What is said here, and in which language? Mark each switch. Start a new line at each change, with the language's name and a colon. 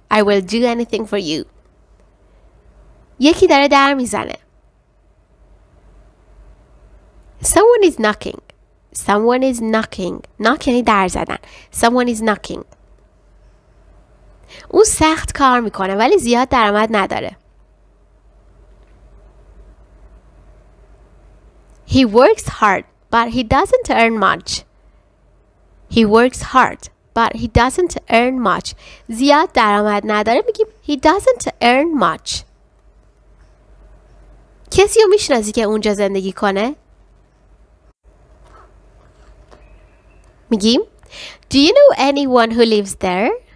English: I will do anything for you.
Persian: یکی داره در میزنه.
English: Someone is knocking. Someone is knocking. Knock
Persian: یعنی در زدن.
English: Someone is knocking.
Persian: او سخت کار میکنه ولی زیاد درآمد نداره.
English: He works hard, but he doesn't earn much. He works hard, but he doesn't earn much.
Persian: زیاد درآمد نداره میگیم
English: he doesn't earn much.
Persian: کسی رو میشناسی که اونجا زندگی کنه؟ میگیم
English: Do you know anyone who lives there?